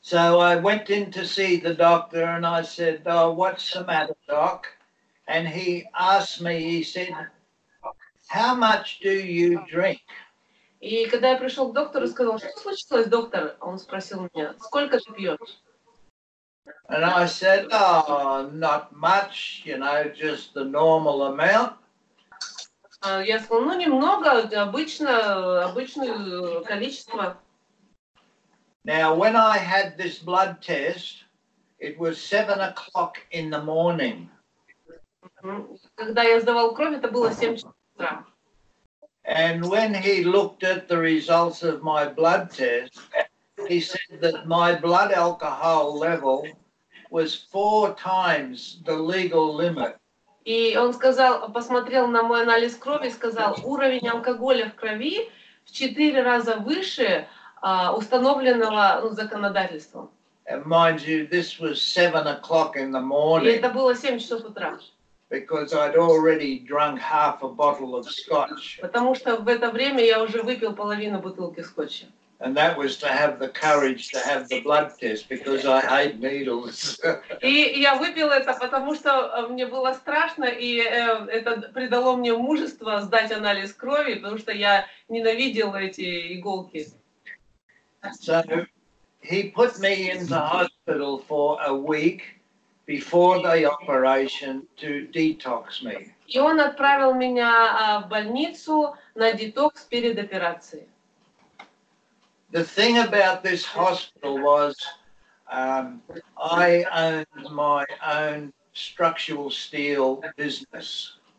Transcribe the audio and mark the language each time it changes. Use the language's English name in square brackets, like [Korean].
[English] So I went in to see the doctor and I said, "Oh, what's the matter, doc?" And he asked me, he said, "How much do you drink?" [Russian] И когда я пришел к доктору, сказал: "Что случилось, доктор?" Он спросил меня: "Сколько ты пьешь?" [English] And I said, "Oh, not much, you know, just the normal amount." [Russian] Я сказал: "Ну, немного, обычно, обычное количество." [English] Now, when I had this blood test, it was 7 o'clock in the morning. [Russian] Когда я сдавал кровь, это было 7 часов утра. [English] And when he looked at the results of my blood test, he said that my blood alcohol level was 4 times the legal limit. [Russian] И он сказал, посмотрел на мой анализ крови, сказал, уровень алкоголя в крови в 4 раза выше установленного законодательством. [English] And mind you, this was 7 o'clock in the morning. [Russian] И это было 7 часов утра. [English] Because I'd already drunk half a bottle of scotch. [Russian] Потому что в это время я уже выпил половину бутылки скотча. [English] And that was to have the courage to have the blood test because I hate needles. [Russian] И я выпил это, потому что мне было страшно, и это придало мне мужество сдать анализ крови, потому что я ненавидел эти иголки. [English] So he put me in the hospital for a week before the operation to detox me. [Russian] И он отправил меня в больницу на детокс перед операцией. [English] The thing about this hospital was I owned my own structural steel business.